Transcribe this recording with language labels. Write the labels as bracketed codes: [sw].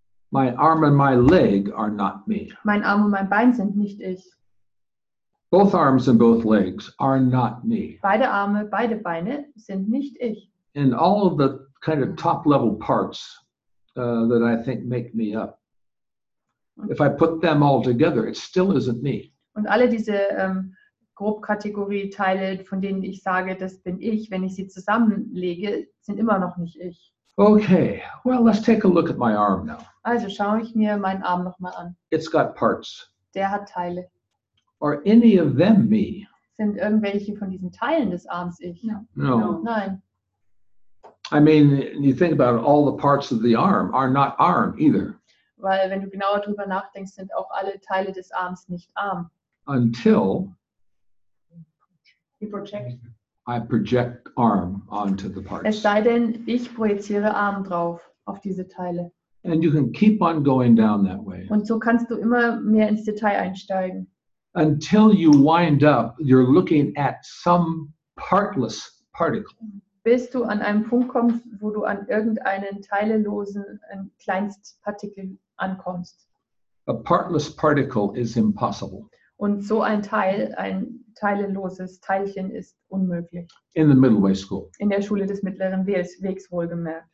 [en] My arm and my leg are not me. [de] Mein Arm und mein Bein sind nicht ich. [en] Both arms and both legs are not me. [de] Beide Arme, beide Beine sind nicht ich. [en] And all of the kind of top-level parts that I think make me up. If I put them all together, it still isn't me. [de] Und alle diese Grobkategorie-Teile, von denen ich sage, das bin ich, wenn ich sie zusammenlege, sind immer noch nicht ich. [en] Okay, well, let's take a look at my arm now. [de] Also schaue ich mir meinen Arm nochmal an. [en] It's got parts. [de] Der hat Teile. [en] Are any of them me? [de] Sind irgendwelche von diesen Teilen des Arms ich? [en] No. [de] Nein. [en] I mean, you think about it, all the parts of the arm are not arm either. [de] Weil wenn du genauer drüber nachdenkst, sind auch alle Teile des Arms nicht arm. [en] Until you project. I project arm onto the parts. [de] Es sei denn, ich projiziere Arm drauf auf diese Teile. [en] And you can keep on going down that way. [de] Und so kannst du immer mehr ins Detail einsteigen. [en] until you wind up, you're looking at some partless particle. [de] Bis du an einem Punkt kommst, wo du an irgendeinen teillosen Kleinstpartikel ankommst. [en] A partless particle is impossible. [de] Und so ein Teil, ein teilloses Teilchen, ist unmöglich. [en] In the middle way school. [de] In der Schule des mittleren Wegs wohlgemerkt.